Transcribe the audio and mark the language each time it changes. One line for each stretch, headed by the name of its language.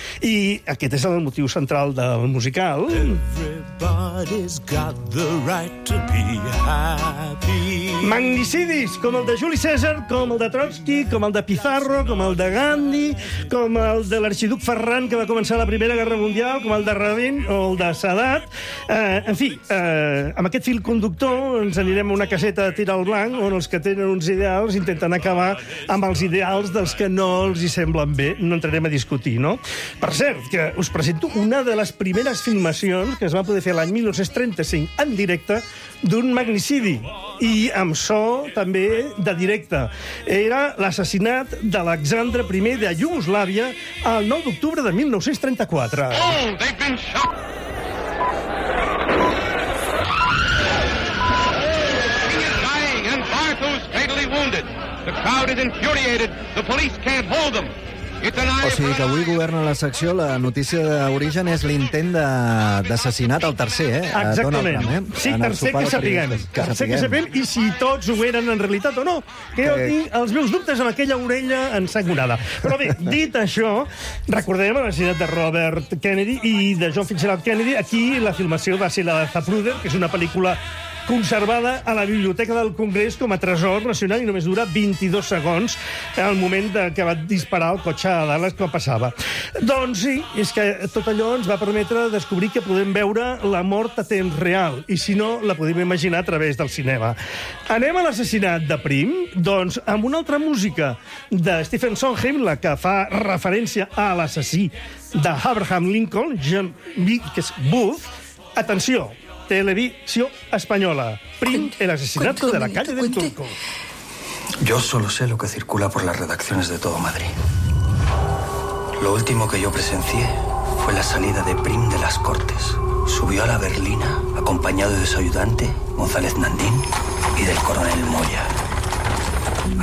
Catalan: I aquest és el motiu central del musical.
English: Everybody's got the right to be happy.
Catalan: Magnicidis, com el de Juli César, com el de Trotsky, com el de Pizarro, com el de Gandhi, com el de l'arxiduc Ferran, que va començar la Primera Guerra Mundial, com el de Rabin o el de Sadat. En fi, amb aquest fil conductor ens anirem a una caseta de tir al blanc on els que tenen uns ideals intenten acabar amb els ideals dels que no els hi semblen bé. No entrarem a discutir, no? Per cert, que us presento una de les primeres filmacions que es va poder fer l'any 1935 en directe d'un magnicidi. I amb so, també, de directe. Era l'assassinat d'Alexandre I de Iugoslàvia el 9 d'octubre de 1934.
English: Oh, they've been shot! He is dying and Bartho's fatally wounded. The crowd is infuriated. The police can't hold them.
Catalan: O sigui que avui governa la secció, la notícia d'origen és l'intent d'assassinat, el tercer, Exactament. Donald Trump, Sí, tercer que sapiguem. I si tots ho eren en realitat o no, que jo tinc els meus dubtes amb aquella orella ensangonada. Però bé, dit això, recordem l'assassinat de Robert Kennedy i de John Fitzgerald Kennedy. Aquí la filmació va ser la de Zapruder, que és una pel·lícula conservada a la Biblioteca del Congrés com a tresor nacional i només dura 22 segons en el moment que va disparar el cotxe a Dallas com passava. Doncs sí, és que tot allò ens va permetre descobrir que podem veure la mort a temps real i si no, la podem imaginar a través del cinema. Anem a l'assassinat de Prim? Doncs amb una altra música de Stephen Sondheim, la que fa referència a l'assassí de Abraham Lincoln, John Wilkes Booth. Atenció! Televisió Española.
Spanish: Prim, el asesinato de la calle del Turco. Yo solo sé lo que circula por las redacciones de todo Madrid. Lo último que yo presencié fue la salida de Prim de las Cortes. Subió a la berlina acompañado de su ayudante, González Nandín, y del coronel Moya.